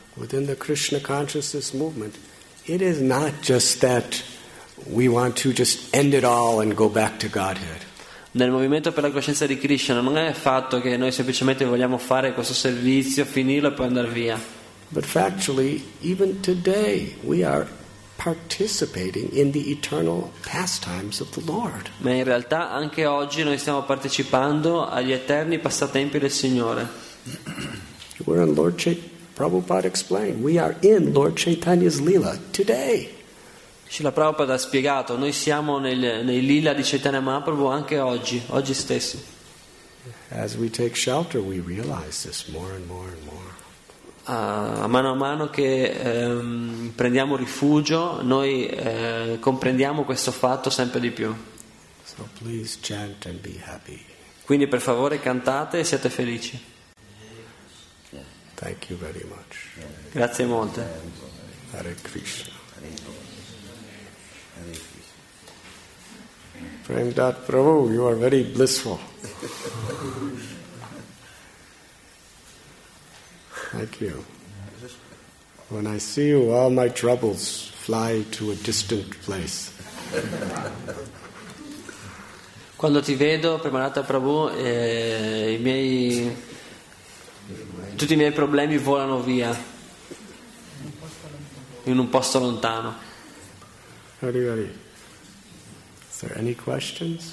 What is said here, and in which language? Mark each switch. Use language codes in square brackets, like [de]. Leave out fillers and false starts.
[en] Within the Krishna consciousness movement, it is not just that we want to just end it all and go back to Godhead. [it] Nel movimento per la coscienza di Krishna non è fatto che noi semplicemente vogliamo fare questo servizio, finirlo e poi andare via. [en] But factually, even today, we are participating in the eternal pastimes of the Lord. [it] Ma in realtà anche oggi noi stiamo partecipando agli eterni passatempi del Signore. [en] We're in Lord Prabhupada explained, we are in Lord Chaitanya's Leela today. [it] Srila Prabhupada ha spiegato, noi siamo nei Leela di Chaitanya Mahaprabhu anche oggi stesso. [en] As we take shelter, we realize this more and more and more. [it] A mano che prendiamo rifugio, noi comprendiamo questo fatto sempre di più. [en] So please chant and be happy. [it] Quindi per favore cantate e siate felici. [en] Thank you very much. [it] Grazie molte. [en] Hare Krishna. Premdat Prabhu, you are very blissful. Thank you. When I see you, all my troubles fly to a distant place. [it] Quando ti vedo, Premanata Prabhu, tutti i miei problemi volano via in un posto lontano. Arrivederci. [en] Is there any questions?